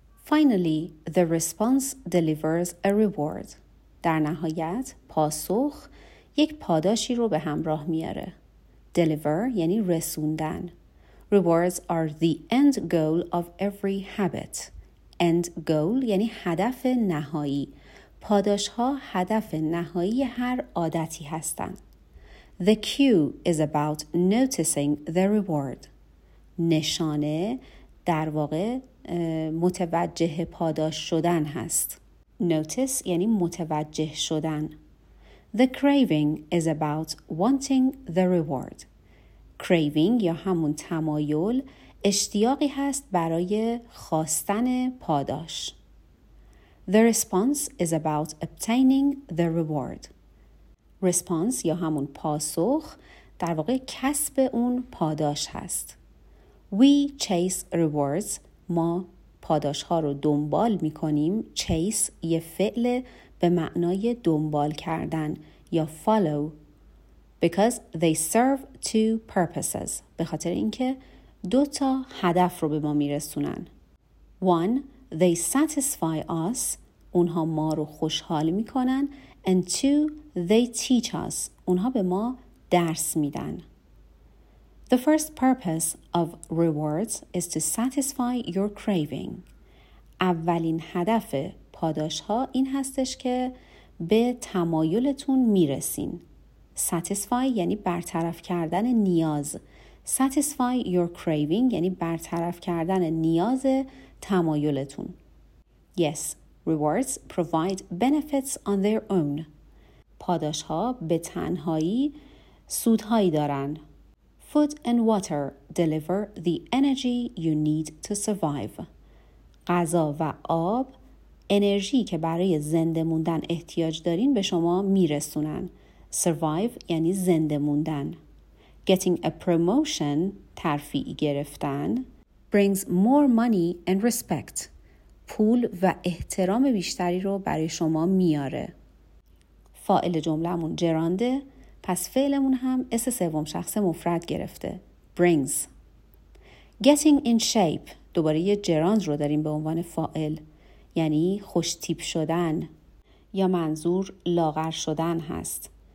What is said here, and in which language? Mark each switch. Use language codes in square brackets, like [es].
[en] Finally, the response delivers a reward. [fa] در نهایت پاسخ یک پاداشی رو به همراه میاره. Deliver یعنی رسوندن. [en] Rewards are the end goal of every habit. [fa] End goal یعنی هدف نهایی. پاداش ها هدف نهایی هر عادتی هستن. [en] The cue is about noticing the reward. [fa] نشانه در واقع متوجه پاداش شدن هست. Notice یعنی متوجه شدن. [en] The craving is about wanting the reward. [fa] Craving یا همون تمایل اشتیاقی هست برای خواستن پاداش. [en] The response is about obtaining the reward. [fa] Response یا همون پاسخ در واقع کسب اون پاداش هست. [en] We chase rewards. [fa] ما پاداش ها رو دنبال می کنیم. Chase یه فعل به معنای دنبال کردن یا follow. [en] Because they serve two purposes. [fa] به خاطر اینکه دو تا هدف رو به ما می رسونن. [en] One, they satisfy us. [fa] اونها ما رو خوشحال می کنن. [en] And two, they teach us. [fa] اونها به ما درس می دن. [en] The first purpose of rewards is to satisfy your craving. [fa] اولین هدف پاداش ها این هستش که به تمایلتون می رسین. Satisfy یعنی برطرف کردن نیاز. Satisfy your craving یعنی برطرف کردن نیاز تمایلتون. [en] Yes, rewards provide benefits on their own. [fa] پاداش ها به تنهایی سودهایی دارن. [en] Food and water deliver the energy you need to survive. [fa] غذا و آب انرژی که برای زنده موندن احتیاج دارین به شما میرسونن. Survive یعنی زنده موندن. [en] Getting a promotion [fa] ترفیع گرفتن [en] brings more money and respect. [fa] پول و احترام بیشتری رو برای شما میاره. فاعل جمله‌مون جرانده، پس فعلمون هم اس سوم شخص مفرد گرفته. [en] Brings. Getting in shape. [fa] دوباره یه جراند رو داریم به عنوان فاعل. یعنی خوش تیپ شدن یا منظور لاغر شدن هست.